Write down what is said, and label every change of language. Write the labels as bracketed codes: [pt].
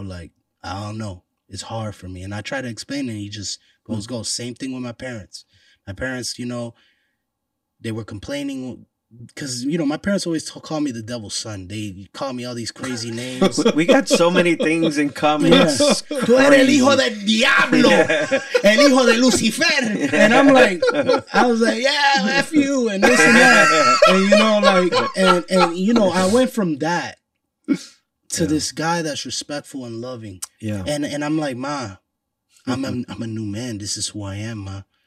[en] Like, I don't know. It's hard for me. And I try to explain it. And he just goes. Same thing with my parents. My parents, you know, they were complaining because, you know, my parents always call me the devil's son. They call me all these crazy names. We got so many things in common. Yeah. [es] Tú eres el hijo del diablo. Yeah. El hijo de Lucifer. Yeah. [en] And I'm like, yeah, F you and this and that. And, you know, like, and you know, I went from that to this guy that's respectful and loving. Yeah. And I'm like, Ma, I'm a new man. This is who I am, Ma.